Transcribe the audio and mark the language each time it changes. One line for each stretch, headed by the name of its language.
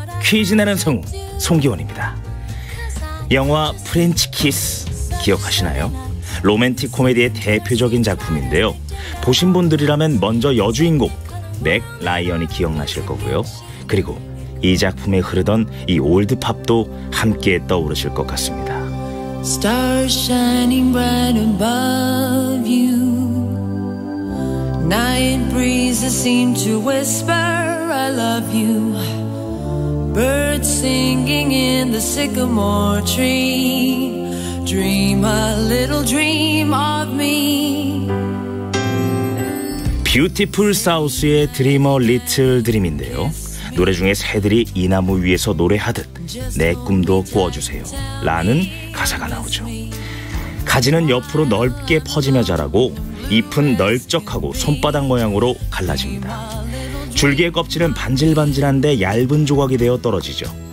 Korean: 퀴즈 내는 성우 송기원입니다. 영화 프렌치 키스 기억하시나요? 로맨틱 코미디의 대표적인 작품인데요. 보신 분들이라면 먼저 여주인공 맥 라이언이 기억나실 거고요. 그리고 이 작품에 흐르던 이 올드 팝도 함께 떠오르실 것 같습니다.
English: Stars shining bright above you. Night breezes seem to whisper I love you. Birds singing in the sycamore tree. Dream a little dream of me.
Korean: Beautiful South의 Dreamer Little Dream인데요. 노래 중에 새들이 이 나무 위에서 노래하듯 내 꿈도 꾸어주세요 라는 가사가 나오죠. 가지는 옆으로 넓게 퍼지며 자라고 잎은 넓적하고 손바닥 모양으로 갈라집니다. 줄기의 껍질은 반질반질한데 얇은 조각이 되어 떨어지죠.